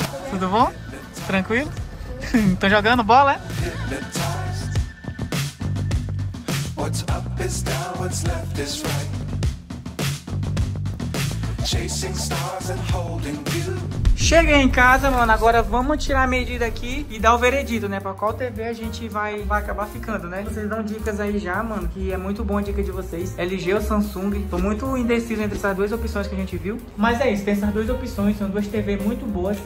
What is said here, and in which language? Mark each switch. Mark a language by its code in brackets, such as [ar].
[pt] Tudo bom? Tranquilo? Tô jogando bola, é? [en] What's up is down, what's left is right. Chasing stars and holding view. [pt] Cheguei em casa, mano, agora vamos tirar a medida aqui e dar o veredito, né? Pra qual TV a gente vai acabar ficando, né? Vocês dão dicas aí já, mano, que é muito boa a dica de vocês. LG ou Samsung? Tô muito indeciso entre essas duas opções que a gente viu. Mas é isso, tem essas duas opções, são duas TV muito boas.